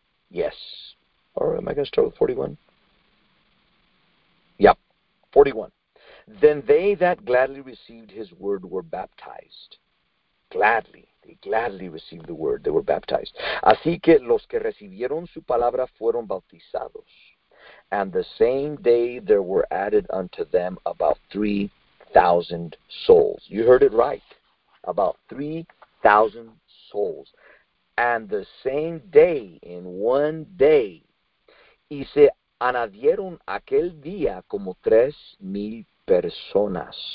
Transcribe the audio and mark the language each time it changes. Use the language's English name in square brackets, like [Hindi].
[English] Yes. Or am I going to start with 41? Yep, 41. Then they that gladly received his word were baptized. Gladly. They gladly received the word. They were baptized. [Spanish] Así que los que recibieron su palabra fueron bautizados. [English] And the same day there were added unto them about 3,000 souls. You heard it right. About 3,000 souls. And the same day, in one day, [Spanish] y se añadieron aquel día como 3,000 personas.